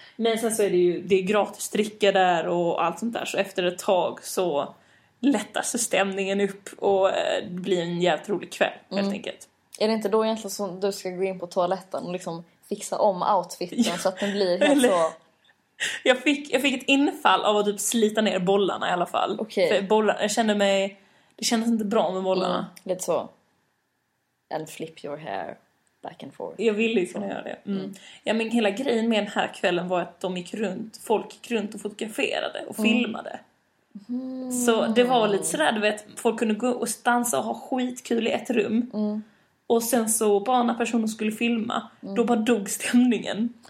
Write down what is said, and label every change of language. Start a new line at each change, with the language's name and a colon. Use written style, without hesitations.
Swedish: Men sen så är det ju, det är gratis dricka där och allt sånt där. Så efter ett tag så lättar sig stämningen upp och det blir en jävligt rolig kväll helt enkelt. Är det inte då egentligen som du ska gå in på toaletten och liksom fixa om outfiten så att den blir helt eller, så... Jag fick ett infall av att typ slita ner bollarna i alla fall. Okay. För bollarna, jag kände mig... Det kändes inte bra med bollarna. Mm, lite så.
English: And flip your hair back and forth.
Swedish: Jag ville ju kunna göra det. Mm. Mm. Ja, men hela grejen med den här kvällen var att de gick runt, folk gick runt och fotograferade och filmade. Så det var lite sådär, du vet, folk kunde gå och stansa och ha skitkul i ett rum. Mm. Och sen så, bara när personen skulle filma, då bara dog stämningen.